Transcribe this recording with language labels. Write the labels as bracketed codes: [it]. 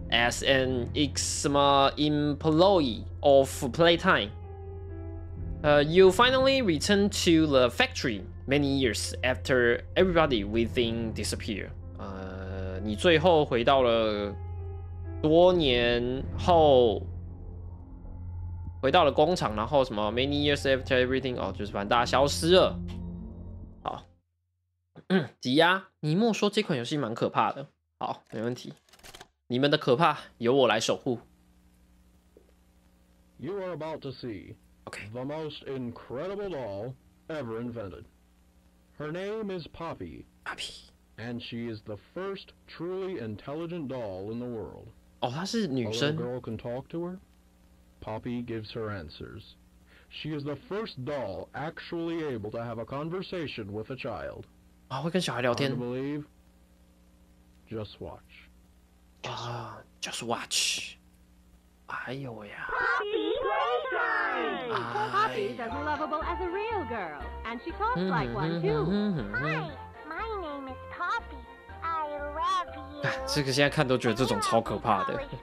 [en] As an Ixma employee of Playtime. You finally return to the factory many years after everybody within disappeared. [zh] 你最后回到了多年后回到了工厂，然后什么 [en] many years after everything， [zh] 哦，就是反正大家消失了。好，挤压尼莫说这款游戏蛮可怕的。好，没问题，你们的可怕由我来守护。 [en] You are about to see the most incredible doll ever invented. Her name is Poppy, and she is the first truly intelligent doll in the world. [zh] 哦，她是女生。 [en] A little girl can talk to her. Poppy gives her answers. She is the first doll actually able to have a conversation with a child. [zh] 啊，会跟小孩聊天。 [en] Can you believe? Just watch. Just watch. 哎呦呀。 Poppy Playtime! Poppy is as lovable as a real girl, and she talks like one too. Hi, my name is Poppy. I love you. [zh] 这个现在看都觉得这种超可怕的。